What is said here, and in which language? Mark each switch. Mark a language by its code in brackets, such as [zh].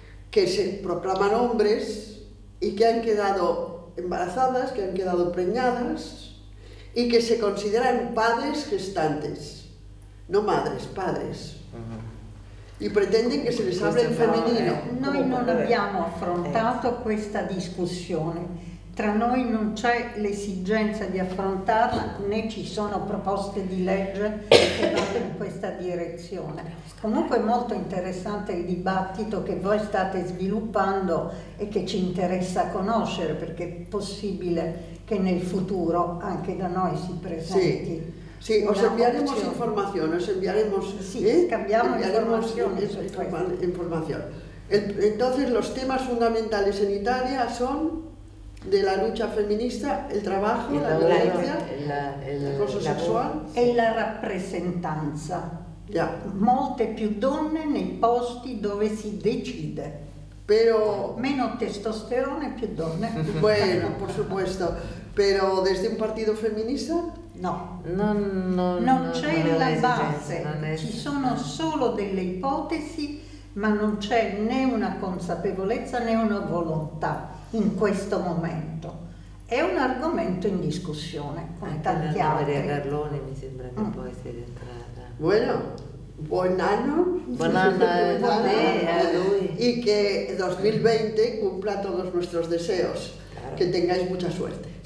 [es] que se proclaman hombres y que han quedado embarazadas, que han quedado preñadas y que se consideran padres gestantes, no madres, padres. Uh-huh. Y pretenden que se les hable en femenino. [it] Noi non abbiamo affrontato questa discussione. Tra noi non c'è l'esigenza di affrontarla, né ci sono proposte di legge che vanno in questa direzione. Comunque è molto interessante il dibattito che voi state sviluppando e che ci interessa conoscere, perché è possibile che nel futuro anche da noi si presenti. [es] Sì. Sì, os enviaremos opción. Información, os enviaremos... Sí, cambiamos información. Información. Entonces, los temas fundamentales en Italia son de la lucha feminista, el trabajo, la violencia, el acoso sexual... [it] E la rappresentanza. [en] Yeah. [it] Molte più donne nei posti dove si decide. [es] Pero... [it] Meno testosterone, più donne. [es] Bueno, por supuesto. Pero desde un [it] partito femminista? No, non c'è la base, ci sono solo delle ipotesi, ma non c'è né una consapevolezza né una volontà in questo momento. È un argomento in discussione con anche tanti altri. Maria Garloni mi sembra che può essere entrata. Bueno, buon anno. Buon anno a lei, a lui. [es] Y que 2020 cumpla todos nuestros deseos. Claro. Que tengáis mucha suerte.